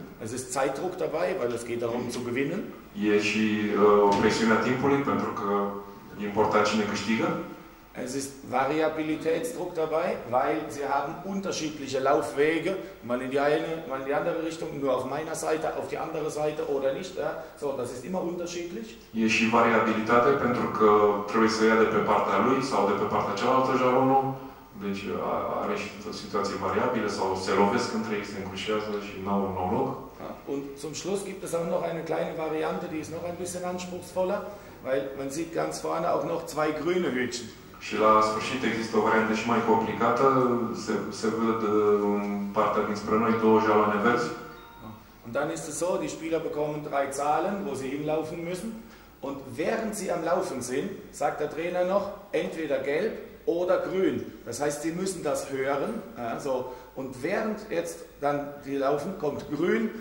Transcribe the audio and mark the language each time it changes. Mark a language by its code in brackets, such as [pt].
[de] Es ist Zeitdruck dabei, weil es geht darum zu gewinnen. [ro] E și presiunea timpului, pentru că e important cine câștigă. [de] Es ist Variabilitätsdruck dabei, weil sie haben unterschiedliche Laufwege, mal in die eine, mal in die andere Richtung, nur auf meiner Seite, auf die andere Seite oder nicht. Ja? So, das ist immer unterschiedlich. [ro] E și variabilitate, pentru că trebuie să ia de pe partea lui sau de pe partea cealaltă jalonul. Deci are și situații variabile sau se lovesc între ei, se încrușează și n-au un nou loc. [de] Und zum Schluss gibt es auch noch eine kleine Variante, die ist noch ein bisschen anspruchsvoller, weil man sieht ganz vorne auch noch zwei grüne Hütchen. [ro] Și la sfârșit există o variantă și mai complicată, se văd în partea dinspre noi două jaloane verzi. [de] Und dann ist es so, die Spieler bekommen drei Zahlen, wo sie hinlaufen müssen. Und während sie am Laufen sind, sagt der Trainer noch, entweder gelb oder grün. Das heißt, sie müssen das hören. Also, und während jetzt dann die laufen, kommt grün.